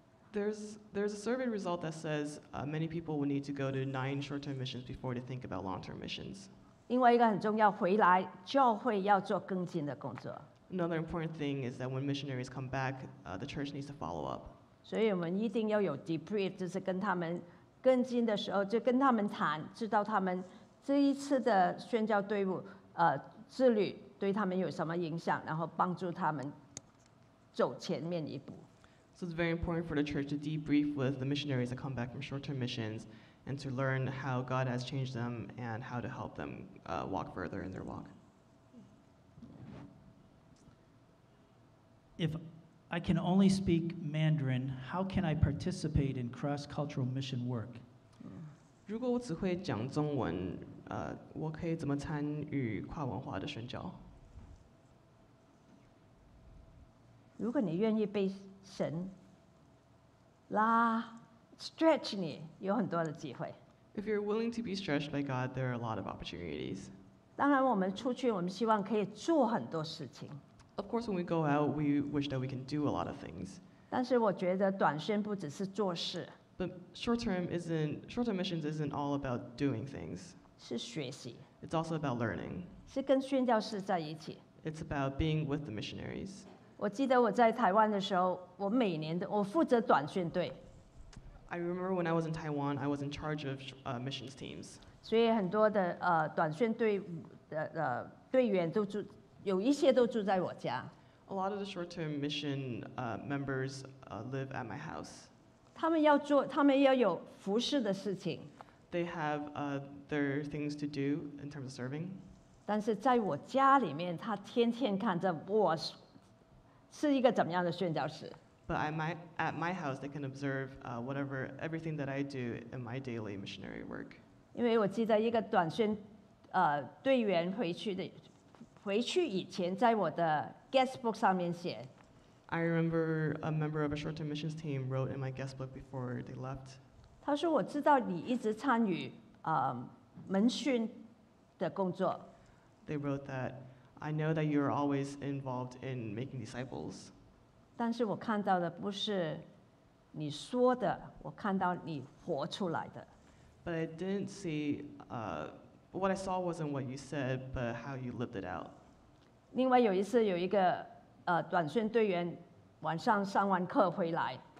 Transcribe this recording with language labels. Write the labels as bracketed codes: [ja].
[en] a survey result that says many people will need to go to 9 short-term missions before they think about long-term missions. [zh] 另外一个很重要，回来教会要做更新的工作。Another [en] important thing is that when missionaries come back, the church needs to follow up. [zh] 所以我们一定要有 debrief， 就是跟他们更新的时候，就跟他们谈，知道他们这一次的宣教队伍，自律对他们有什么影响，然后帮助他们走前面一步。 [en] So it's very important for the church to debrief with the missionaries that come back from short-term missions and to learn how God has changed them and how to help them walk further in their walk. If I can only speak Mandarin, how can I participate in cross-cultural mission work? [zh] 如果我只会讲中文, 我可以怎么参与跨文化的宣教? 如果你愿意被神 [en] La stretch me, you have a lot of time. If you're willing to be stretched by God, there are a lot of opportunities. Of course, when we go out, we wish that we can do a lot of things. But short-term missions isn't all about doing things. It's also about learning. It's about being with the missionaries. [zh] 我记得我在台湾的时候，我每年的我负责短宣队。 [en] I remember when I was in Taiwan, I was in charge of missions teams. [zh] 所以很多的 短宣队的队员都住，有一些都住在我家。 [en] A lot of the short-term mission members live at my house. [zh] 他们要做，他们要有服事的事情。 [en] They have their things to do in terms of serving. [zh] 但是在我家里面，他天天看着我。是一个怎么样的宣教士? [en] But at my house, they can observe everything that I do in my daily missionary work. [zh] 因为我记得一个短宣, 队员回去以前, 在我的 guestbook 上面写, [en] I remember a member of a short-term missions team wrote in my guestbook before they left. [zh] 他说我知道你一直参与, 门训的工作。 [en] They wrote that, I know that you're always involved in making disciples. [zh] 但是我看到的不是你说的, 我看到你活出来的。 [en] But I didn't see, what I saw wasn't what you said, but how you lived it out. [zh] 另外有一次有一个, 短宣队员晚上上完课回来。